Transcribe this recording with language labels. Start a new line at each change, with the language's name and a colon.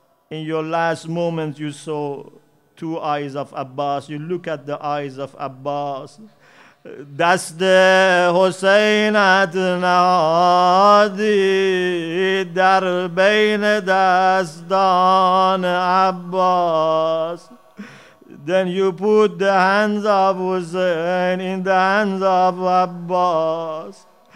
English: In your last moment you saw two eyes of Abbas. You look at the eyes of Abbas.
Persian: دست حسینت نهادی در بین دستان عباس.
English: Then you put the hands of Hussein in the hands of Abbas.